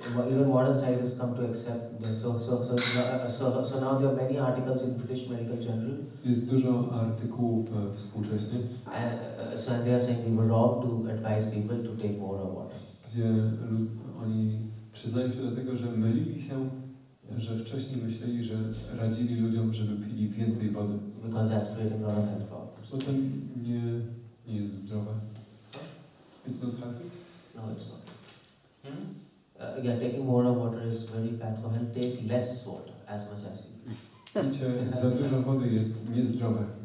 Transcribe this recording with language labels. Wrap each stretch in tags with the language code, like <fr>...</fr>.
<en>Even modern science has come to accept that. So now there are many articles in British Medical Journal.</en> <pl>Jest dużo artykułów współczesnie.</pl> <en>So they are saying we were wrong to advise people to take more of water.</en> <pl>Oni przyznają się do tego, że mylili się, że wcześniej myśleli, że radzili ludziom, żeby pili więcej wody.</pl> <en>Because that's creating a lot of health problems.</en> <pl>Bo to nie jest zdrowe.</pl> <en>It's not healthy? No, it's not. Taking more water is very bad for health. Take less water, as much as you can.</en> <pl>Wiecie, za dużo wody jest niezdrowe.</pl>